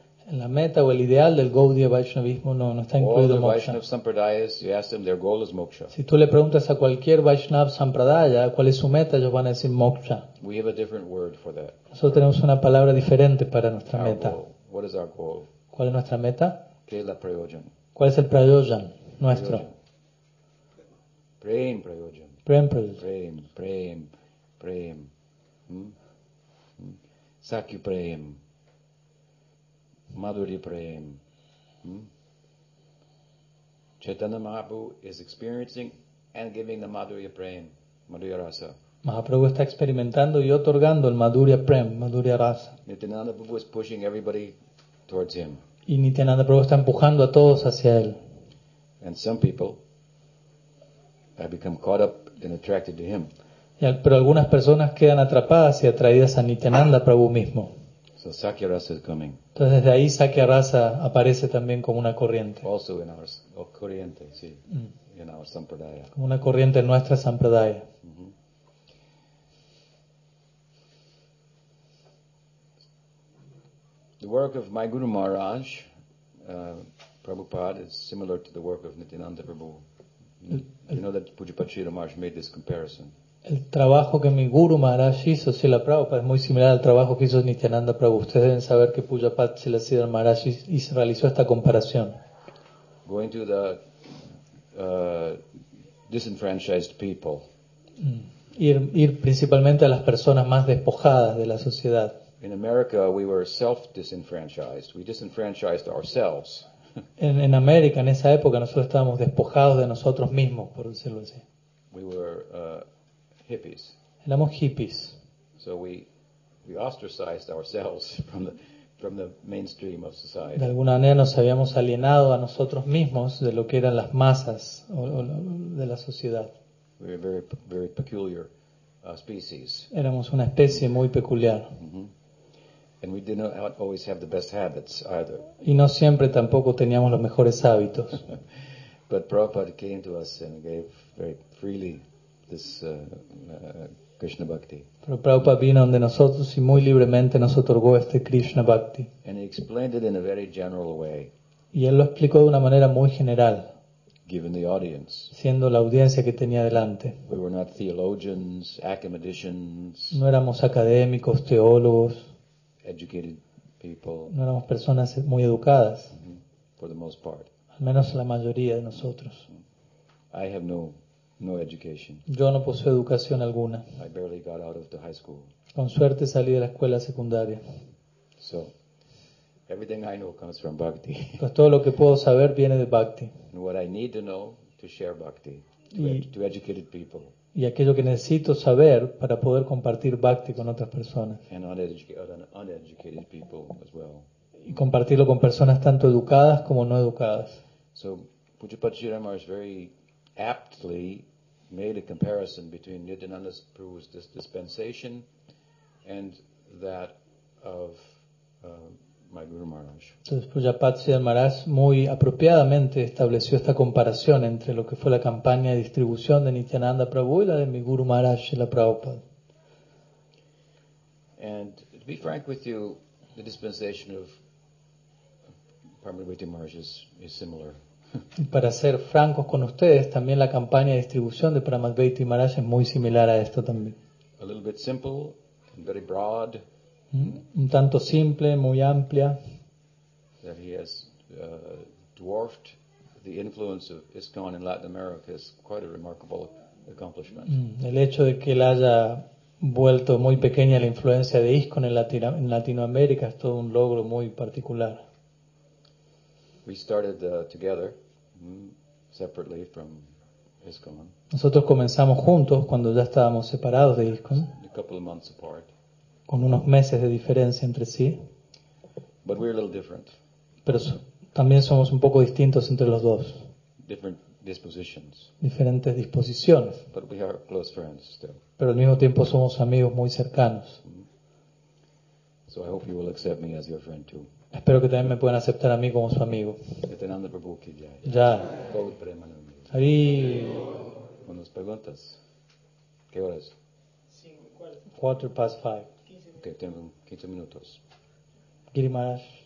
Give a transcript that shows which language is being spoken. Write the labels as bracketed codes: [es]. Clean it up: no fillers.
[es] En la meta o el ideal del Gaudiya Vaishnavismo no está incluido [en] All the [es] moksha. [en] Vaishnav Sampradayas, you ask them, their goal is moksha. [es] Si tú le preguntas a cualquier Vaishnav Sampradaya cuál es su meta, ellos van a decir moksha. [en] We have a different word for that. [es] Nosotros tenemos una palabra diferente para nuestra [en] our [es] meta. [en] Goal. What is our goal? [es] ¿Cuál es nuestra meta? ¿Qué es la prayojan? ¿Cuál es el prayojan nuestro? [sa] Prem prayojan. Prem prayojan. Prem, prem, prem. Sakya prem. Madhuri Prem. [en] Chaitanya Mahaprabhu is experiencing and giving the Madhuri Prem, Madhuri Rasa. [es] Mahaprabhu está experimentando y otorgando el Madhuri Prem, Madhuri Rasa. [en] Nityananda Prabhu is pushing everybody towards him. [es] Y Nityananda Prabhu está empujando a todos hacia él. [en] And some people have become caught up and attracted to him. [es] Pero algunas personas quedan atrapadas y atraídas a Nityananda Prabhu mismo. [en] So Sakya Rasa is coming. [es] Entonces desde ahí Sakya Rasa aparece también como una corriente. [en] Also in our corriente, sí, in our sampradaya. [es] Como una corriente en nuestra sampradaya. [en] The work of my Guru Maharaj, Prabhupada, is similar to the work of Nityananda Prabhu. You know that Pujapati Sri Maharaj made this comparison. [es] El trabajo que mi Guru Maharaj hizo, Srila Prabhupada, es muy similar al trabajo que hizo Nityananda Prabhu. Ustedes deben saber que Pujapati Srila Sridhara Maharaj hizo, realizó esta comparación. [en] Going to the disenfranchised people. [es] Ir principalmente a las personas más despojadas de la sociedad. [en] In America we were self-disenfranchised. We disenfranchised ourselves. [es] En América, en esa época, nosotros estábamos despojados de nosotros mismos, por decirlo así. [en] We were hippies. [es] Éramos hippies. [en] So we ostracized ourselves from the mainstream of society. [es] De alguna manera nos habíamos alienado a nosotros mismos de lo que eran las masas o de la sociedad. [en] We were very, very peculiar species. [es] Éramos una especie muy peculiar. [en] And we did not always have the best habits either. [es] Y no siempre tampoco teníamos los mejores hábitos. [en] But Prabhupada came to us and gave very freely this Krishna bhakti. [es] Pero Prabhupada vino donde nosotros y muy libremente nos otorgó este Krishna bhakti. [en] And he explained it in a very general way. [es] Y él lo explicó de una manera muy general. [en] Given the audience. [es] Siendo la audiencia que tenía delante. [en] We were not theologians, academicians. [es] No éramos académicos, teólogos. [en] Educated people. [es] No éramos personas muy educadas. [en] For the most part. [es] Al menos la mayoría de nosotros. [en] I have no education. [es] Yo no poseo educación alguna. [en] I barely got out of the high school. [es] Con suerte salí de la escuela secundaria. [en] So, everything I know comes from bhakti. [es] Pues todo lo que puedo saber viene de bhakti. [en] And what I need to know to share bhakti to educated people. [es] Y aquello que necesito saber para poder compartir bhakti con otras personas. [en] And uneducated people as well. [es] Y compartirlo con personas tanto educadas como no educadas. [en] So, Pujapati Sri Ramar is very aptly made a comparison between Nityananda Prabhu's dispensation and that of my Guru Maharaj. [es] Entonces Pujapati Sridhar Maharaj muy apropiadamente estableció esta comparación entre lo que fue la campaña de distribución de Nityananda Prabhu y la de mi Guru Maharaj y la Prabhupada. [en] And to be frank with you, the dispensation of Paramahansa Maharaj is similar. [es] Y para ser francos con ustedes, también la campaña de distribución de Paramadvaita Maharaj es muy similar a esto también. [en] A little bit simple and very broad. [es] Un tanto simple, muy amplia. [en] That he has dwarfed the influence of ISKCON in Latin America is quite a remarkable accomplishment. [es] El hecho de que él haya vuelto muy pequeña la influencia de ISKCON en Latinoamérica es todo un logro muy particular. [en] We started together, separately from ISKCON. [es] Nosotros comenzamos juntos cuando ya estábamos separados de ISKCON. [en] A couple of months apart. [es] Con unos meses de diferencia entre sí. [en] But we're a little different. [es] Pero también somos un poco distintos entre los dos. [en] Different dispositions. [es] Diferentes disposiciones. [en] But we are close friends still. [es] Pero al mismo tiempo somos amigos muy cercanos. [en] So I hope you will accept me as your friend too. [es] Espero que también me puedan aceptar a mí como su amigo. [hi] Nityananda Prabhu ki jai. Ya. Bahut prema nandi. [es] Ahí. ¿Unas preguntas? ¿Qué hora es? 5:15. Okay, tenemos 15 minutos. Giri Maharaj.